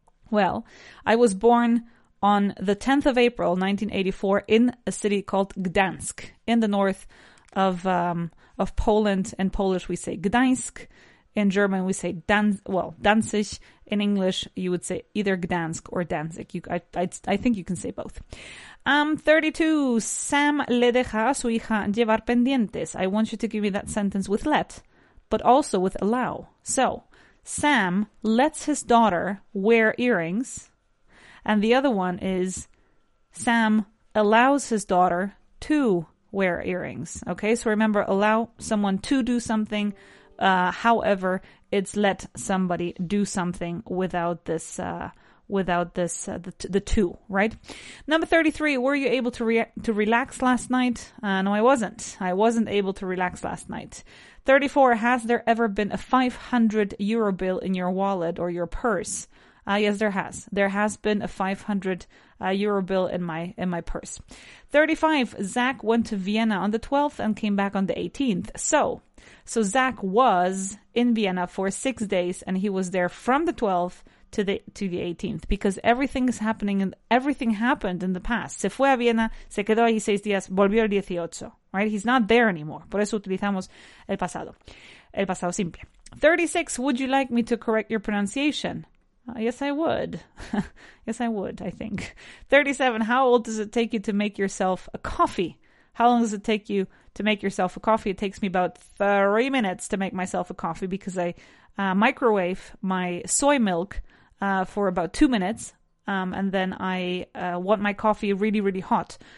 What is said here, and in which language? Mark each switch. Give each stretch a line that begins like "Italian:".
English: Well, I was born on the 10th of April, 1984, in a city called Gdansk, in the north of Poland. In Polish, we say Gdańsk. In German, we say Danzig. In English, you would say either Gdansk or Danzig. I think you can say both. 32.
Spanish: Sam le deja a su hija llevar pendientes.
English: I want you to give me that sentence with let, but also with allow. So, Sam lets his daughter wear earrings. And the other one is Sam allows his daughter to wear earrings. Okay, so remember, allow someone to do something. However, it's let somebody do something without this, the two, right? Number 33, were you able to relax last night? No, I wasn't. I wasn't able to relax last night. 34, has there ever been a 500 euro bill in your wallet or your purse? Yes, there has. There has been a 500 euro bill in my purse. 35, Zach went to Vienna on the 12th and came back on the 18th. So Zach was in Vienna for 6 days and he was there from the 12th to the 18th, because everything is happening and everything happened in the past.
Spanish: Se fue a Viena, se quedó allí 6 días, volvió el 18, right?
English: He's not there anymore.
Spanish: Por eso utilizamos el pasado simple.
English: 36, would you like me to correct your pronunciation? Yes, I would. Yes, I would, I think. 37, how old does it take you to make yourself a coffee? How long does it take you to make yourself a coffee? It takes me about 3 minutes to make myself a coffee because I microwave my soy milk for about 2 minutes, and then I want my coffee really, really hot.